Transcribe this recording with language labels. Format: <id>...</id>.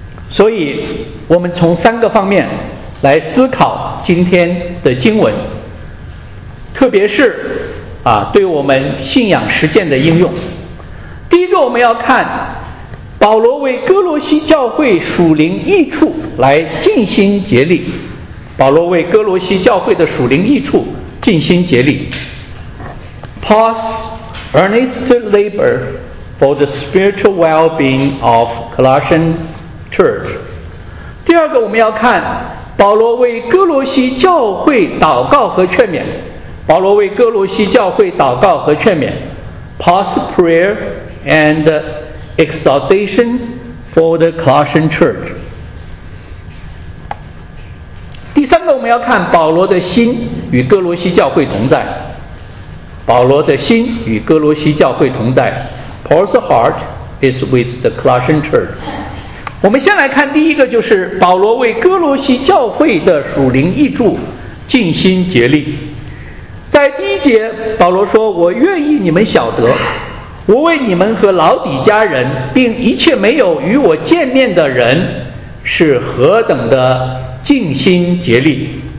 <zh>所以我们从三个方面来思考今天的经文，特别是对我们信仰实践的应用。第一个，我们要看保罗为哥罗西教会属灵益处来尽心竭力。保罗为哥罗西教会的属灵益处尽心竭力。</zh> <en>Paul's earnest labor for the spiritual well-being of Colossian church.</en> <zh>第二个，我们要看保罗为哥罗西教会祷告和劝勉。保罗为哥罗西教会祷告和劝勉。</zh> <en>Paul's prayer and exhortation for the Colossian church.</en> <zh>第三个，我们要看保罗的心与哥罗西教会同在。保罗的心与哥罗西教会同在。</zh> <en>Paul's heart is with the Colossian church.</en> <zh>我们先来看第一个，就是保罗为哥罗西教会的属灵益处尽心竭力。在第一节，保罗说，我愿意你们晓得，我为你们和老底家人并一切没有与我见面的人是何等的尽心竭力。</zh>